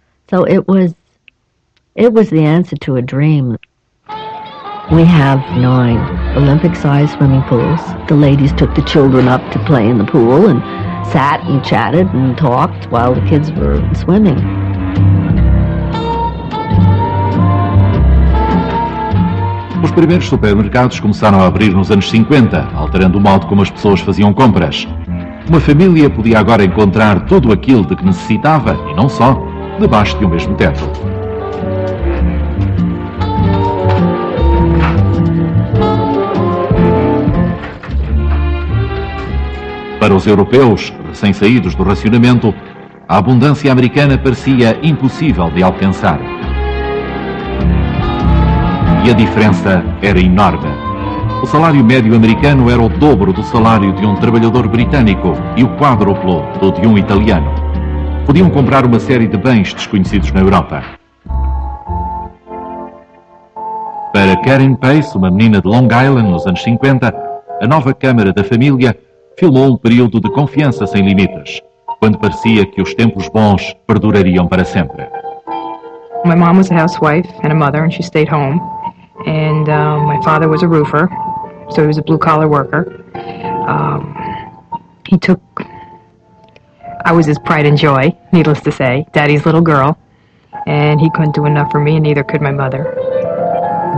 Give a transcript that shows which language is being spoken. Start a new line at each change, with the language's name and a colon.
English: So it was the answer to a dream. We have 9 Olympic-sized swimming pools. The ladies took the children up to play in the pool and sat and chatted and talked while the kids were swimming.
Portuguese: Os primeiros supermercados começaram a abrir nos anos 50, alterando o modo como as pessoas faziam compras. Uma família podia agora encontrar tudo aquilo de que necessitava, e não só, debaixo de um mesmo teto. Para os europeus, recém-saídos do racionamento, a abundância americana parecia impossível de alcançar. E a diferença era enorme. O salário médio americano era o dobro do salário de um trabalhador britânico e o quádruplo do de um italiano. Podiam comprar uma série de bens desconhecidos na Europa. Para Karen Pace, uma menina de Long Island nos anos 50, a nova câmara da família filmou um período de confiança sem limites. quando parecia que os tempos bons perdurariam para sempre.
English: My mom was a housewife and a mother, and she stayed home. And my father was a roofer, so he was a blue-collar worker. I was his pride and joy, needless to say, daddy's little girl. And he couldn't do enough for me, and neither could my mother.